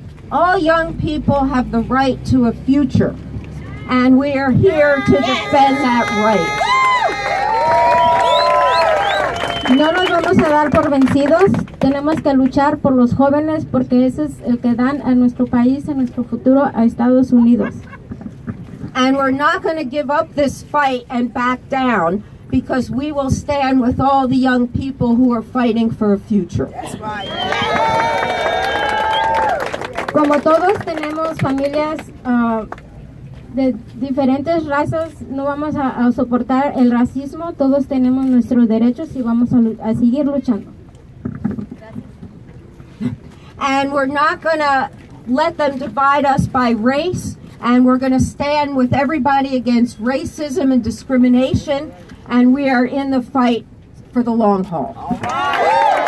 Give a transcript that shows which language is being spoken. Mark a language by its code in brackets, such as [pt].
[en] All young people have the right to a future, and we are here to defend that right. [es] No nos vamos a dar por vencidos, tenemos que luchar por los jóvenes porque eso es el que dan a nuestro país, a nuestro futuro, a Estados Unidos. [en] And we're not going to give up this fight and back down because we will stand with all the young people who are fighting for a future. That's right. [es] Como todos tenemos familias de diferentes razas, no vamos a soportar el racismo. Todos tenemos nuestros derechos y vamos a seguir luchando. [en] And we're not going to let them divide us by race. And we're going to stand with everybody against racism and discrimination, and we are in the fight for the long haul. All right.